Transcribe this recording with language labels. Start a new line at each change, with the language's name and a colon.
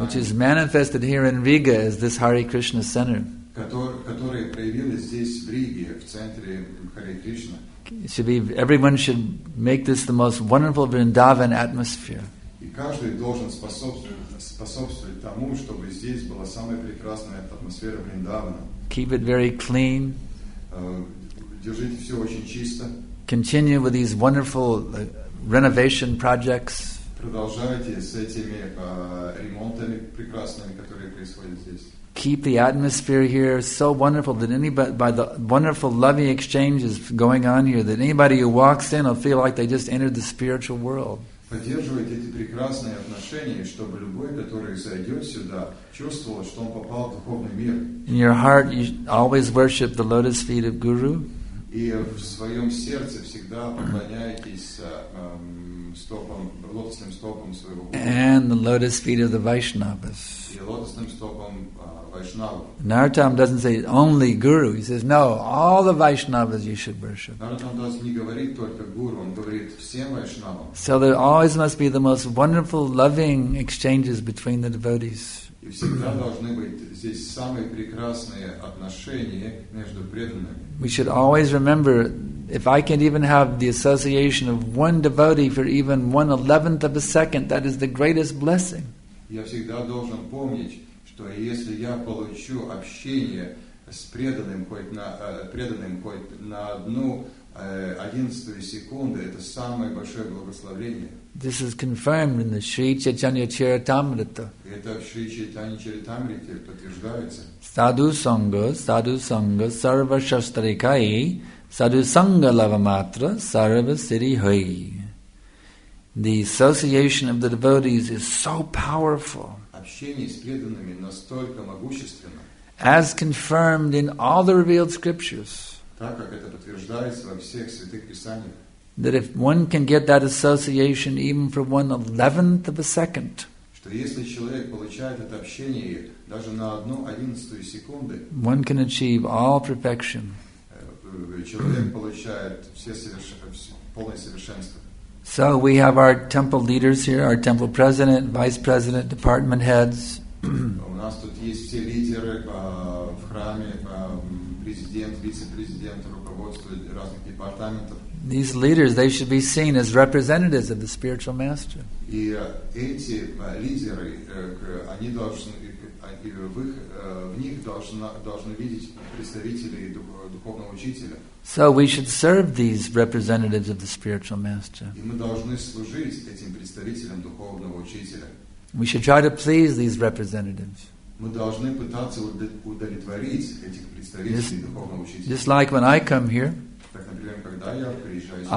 English: Which is manifested here in Riga as this Hare Krishna Center.
Russian: Которые проявились здесь в Риге, в центре Харе Кришна.
English: Everyone should make this the most wonderful Vrindavan atmosphere.
Russian: И каждый должен способствовать тому, чтобы здесь была самая прекрасная атмосфера Вриндавана.
English: Keep it very clean.
Russian: Держите все очень чисто.
English: Continue with these wonderful renovation projects.
Russian: Продолжайте с этими ремонтами прекрасными, которые происходят здесь.
English: Keep the atmosphere here so wonderful that anybody, by the wonderful loving exchanges going on here, that anybody who walks in will feel like they just entered the spiritual world.
Russian: Поддерживайте эти прекрасные отношения, чтобы любой, который зайдет сюда, чувствовал, что он попал в духовный мир.
English: In your heart, you always worship the lotus feet of Guru.
Russian: И в своем сердце всегда поклоняйтесь стопам, лотосным стопам своего Гуру.
English: And the lotus feet of the Vaishnavas.
Russian: И лотосным стопам
English: Narottam doesn't say only Guru. He says, no, all the Vaishnavas you should worship.
Russian: Narottam Das не говорит только Гуру, он говорит всем Вайшнавам.
English: So there always must be the most wonderful, loving exchanges between the devotees.
Russian: И всегда должны быть здесь самые прекрасные отношения между преданными.
English: We should always remember, if I can even have the association of one devotee for even 1/11th of a second, that is the greatest blessing.
Russian: Я всегда должен помнить, то если я получу общение с преданным хоть на 1/11 секунды, это самое большое благословение.
English: This is confirmed in the Sri Chaitanya Charitamrita.
Russian: Это в Шри Чайтанья Чаритамрите подтверждается.
Sanskrit: Садусанга, сарва шастрикай, садусанга лавматра, сарва сири хай.
English: The association of the devotees is so powerful.
Russian: Общение с преданными настолько могущественно,
English: as confirmed in all the revealed scriptures,
Russian: так как это подтверждается во всех святых писаниях,
English: that if one can get that association even for 1/11th of a second,
Russian: что если человек получает это общение даже на 1/11 секунды,
English: one can achieve all perfection.
Russian: Человек получает полное совершенство.
English: So we have our temple leaders here, our temple president, vice president, department heads.
Russian: У нас тут есть все лидеры в храме, президент, вице-президент, руководство разных департаментов.
English: These leaders, they should be seen as representatives of the spiritual master.
Russian: И эти лидеры, они должны, в них должны видеть представителей духовного учителя.
English: So we should serve these representatives of the spiritual master.
Russian: И мы должны служить этим представителям духовного учителя.
English: We should try to please these representatives.
Russian: Мы должны пытаться удовлетворить этих представителей духовного учителя.
English: Just like when I come here,
Russian: так, например, когда я приезжаю сюда,